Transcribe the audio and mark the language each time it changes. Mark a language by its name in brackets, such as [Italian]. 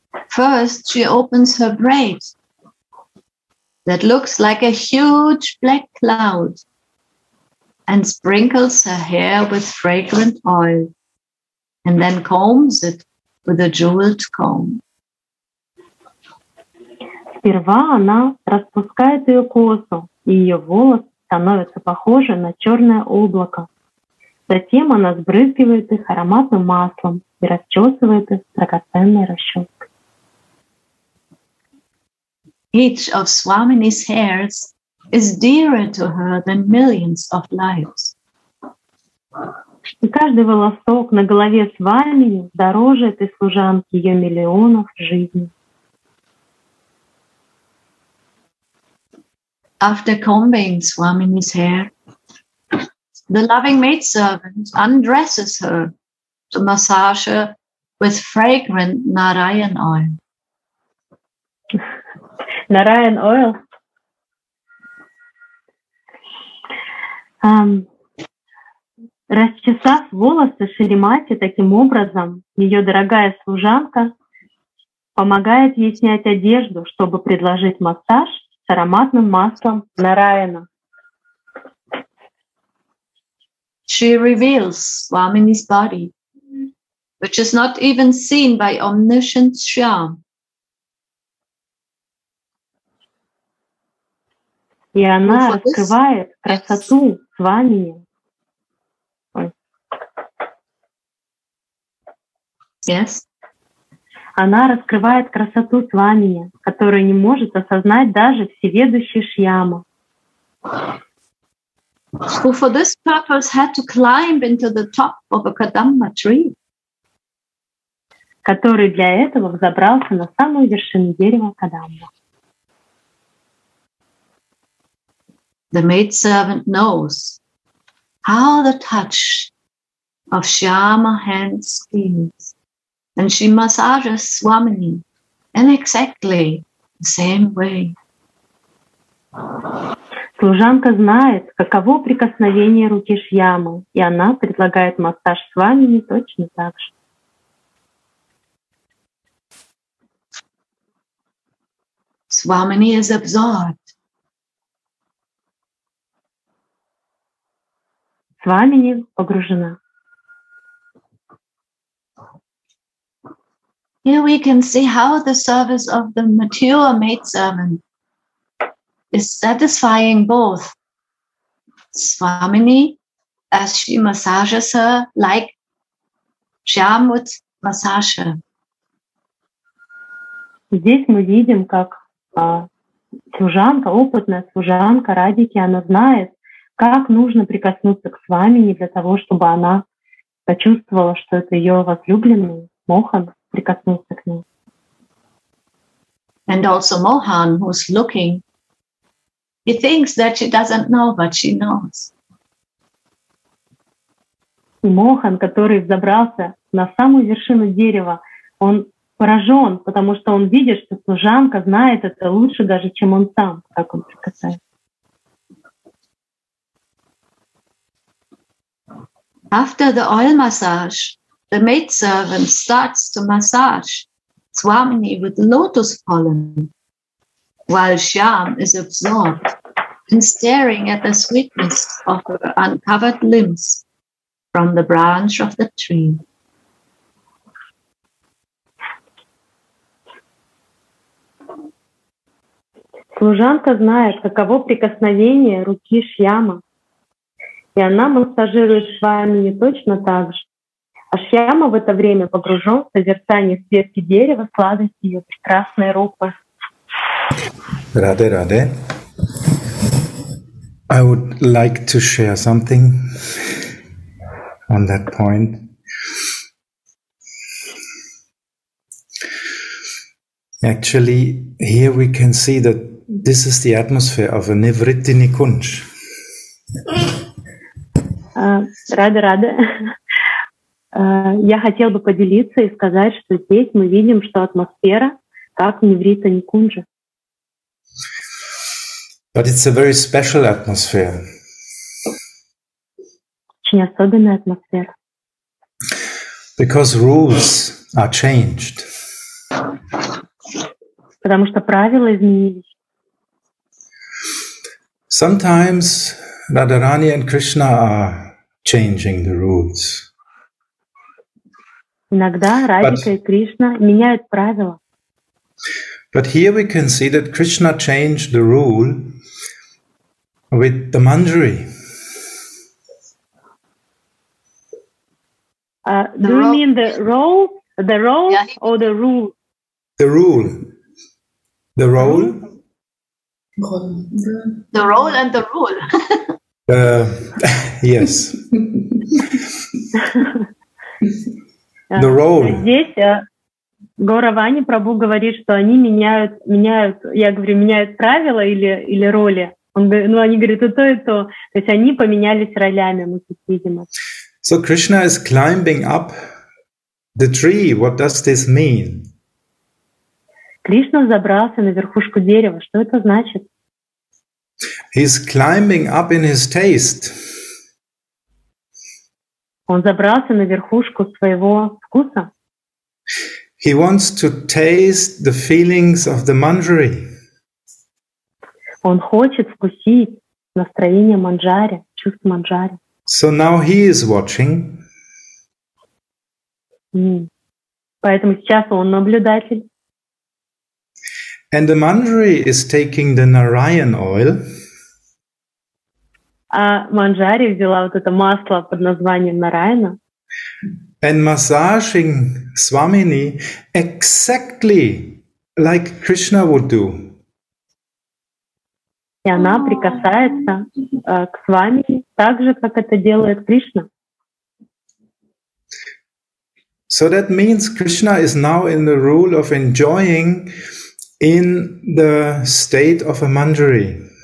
[English] First, she opens her braid that looks like a huge black cloud and sprinkles her hair with fragrant oil and then combs it with a jeweled comb. [Russian] Сперва она распускает ее косу, и ее волосы становятся похожи на черное облако. Затем она сбрызгивает их ароматным маслом и расчесывает их драгоценной расческой. [English] Each of Swamini's hairs is dearer to her than millions of lives. [Russian] И каждый волосок на голове Свамини дороже этой служанки ее миллионов жизней. [English] After combing Swamini's hair, the loving maidservant undresses her to massage her with fragrant Narayan oil. Narayan oil. [Russian] Расчесав волосы Шримати таким образом, ее дорогая служанка помогает ей снять одежду, чтобы предложить массаж с ароматным маслом Нараяна. [English] She reveals Swamini's body, which is not even seen by omniscient Shyam. [Russian] И она раскрывает красоту Свамини. [English] Yes. [Russian] Она раскрывает красоту Свамини, которую не может осознать даже всеведущий Шьяма. [English] Who for this purpose had to climb into the top of a Kadamba tree. [Russian] Который для этого взобрался на самую вершину дерева Кадамба. [English] The maidservant knows how the touch of Shyama hands feels. And she massages Swamini in exactly the same way. [Russian] Служанка знает, каково прикосновение руки Шьямы, и она предлагает массаж Свамини точно так же. [English] Swamini is absorbed. [Russian] Свамини погружена. [English] Here we can see how the service of the mature maidservant is satisfying both Swamini as she massages her, like Shyam would massage her. [Russian] Здесь мы видим, как служанка, опытная служанка Радики, она знает, как нужно прикоснуться к Свамини для того, чтобы она почувствовала, что это ее возлюбленный Мохан. [English] And also Mohan, who's looking, he thinks that she doesn't know, but she knows. [Russian] Mohan, который взобрался на самую вершину дерева, он поражен, потому что он видит, что служанка знает это лучше даже, чем он сам, как он прикасается. [English] After the oil massage, the maidservant starts to massage Swamini with lotus pollen while Shyam is absorbed and staring at the sweetness of her uncovered limbs from the branch of the tree. [Russian] Служанка знает, каково прикосновение руки Шьяма, и она массажирует Свамини точно так же. А Шьяма в это время погружен в созерцание ветки дерева, сладость ее прекрасной рупы. Раде, раде. [English] I would like to share something on that point. Actually, here we can see that this is the atmosphere of a Nivritti Nikunj. [Russian] Раде, раде. Я хотел бы поделиться и сказать, что здесь мы видим, что атмосфера как Нивритта Никунджа. [English] But it's a very special atmosphere. [Russian] Очень особенная атмосфера. [English] Because rules are changed. [Russian] Потому что правила изменились. [English] Sometimes Radharani and Krishna are changing the rules. [Russian] Иногда Радика и Кришна меняют правила. [English] But here we can see that Krishna changed the rule with the Manjari. Do you mean the role yeah. or the rule? The rule. The role. The role and the rule. yes. The role. [Russian] Здесь Гауравани Прабху говорит, что они меняют, я говорю, меняют правила или роли. Они говорят, и то. То есть они поменялись ролями, мы тут видим. [English] So Krishna is climbing up the tree. What does this mean? [Russian] Кришна забрался на верхушку дерева. Что это значит? [English] He's climbing up in his taste. [Russian] Он забрался на верхушку своего вкуса. [English] He wants to taste the feelings of the Manjari. [Russian] Он хочет вкусить настроение Манджари, чувство Манджари. [English] So now he is watching. [Russian] Поэтому сейчас он наблюдатель. [English] And the Manjari is taking the Narayan oil. [Russian] А Манджари взяла вот это масло под названием Нараяна. [English] And massaging Swamini exactly like Krishna would do. [Russian] И она прикасается к Свамини так же, как это делает Кришна. [English] So that means Krishna is now in the rule of enjoying in the state of a Manjari.